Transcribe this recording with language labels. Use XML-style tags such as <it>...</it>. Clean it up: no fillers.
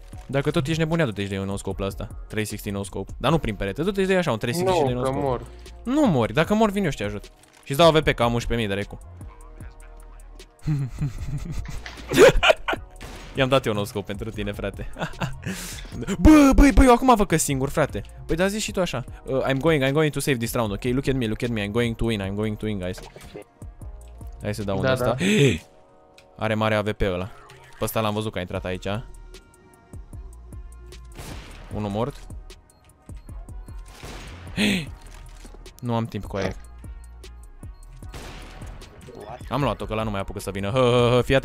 <ro>Dacă tot ești nebunea, du-te și de un no-scope la asta. 360 no-scope. Dar nu prin perete, du-te și de așa un 360 de no-scope. Nu, că mor. Nu mori, dacă mor vin eu și te ajut. Și îți dau AVP, că am 11.000 de recu. I-am dat eu un no-scope pentru tine, frate. Bă, eu acum văd că singur, frate. Băi, dar zici și tu așa.</ro> <en>I'm going to save this round, ok? Look at me, I'm going to win, guys.</en> <ro>Hai să dau unde asta. Are mare AVP ăla. Pe ăsta l-am văzut că a intrat aici. Unul mort. Nu am timp cu aia. Am luat-o, că ăla nu mai apucă să vină.</ro>